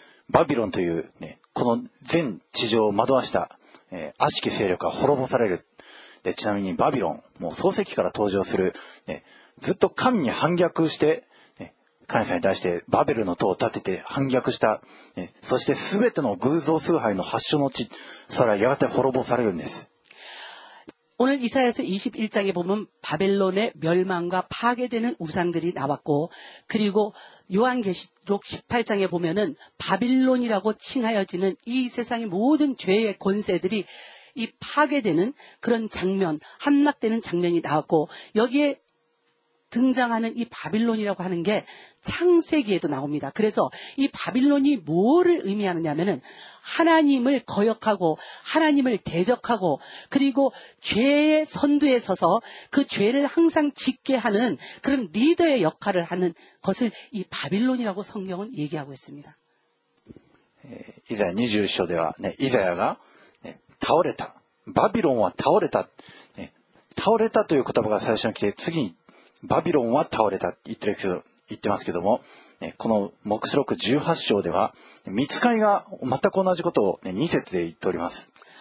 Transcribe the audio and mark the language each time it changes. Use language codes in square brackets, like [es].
[ja] バビロンという、ね、この全地上を惑わした、悪しき勢力が滅ぼされる。でちなみにバビロン、もう創世記から登場する、ね、ずっと神に反逆して、ね、神様に対してバベルの塔を建てて反逆した、ね、そして全ての偶像崇拝の発祥の地、それはやがて滅ぼされるんです。 [ko] 오늘 이사야 21장에 보면 바벨론의 멸망과 파괴되는 우상들이 나왔고 그리고 요한계시록 18장에 보면은 바빌론이라고 칭하여지는 이 세상의 모든 죄의 권세들이 이 파괴되는 그런 장면, 함락되는 장면이 나왔고 여기에 등장하는 이 바빌론이라고 하는 게 창세기에도 나옵니다. 그래서 이 바빌론이 뭐를 의미하느냐면은 하나님을 거역하고 하나님을 대적하고 그리고 죄의 선두에 서서 그 죄를 항상 짓게 하는 그런 리더의 역할을 하는 것을 이 바빌론이라고 성경은 얘기하고 있습니다. 이사야 21장에 이사야가 타오레타 바빌론은 타오레타 타오레타라는 단어가 처음에 나와 다음에 [ja] バビロンは倒れたって言ってますけども、この黙示録18章では、見つかりが全く同じことを2節で言っております。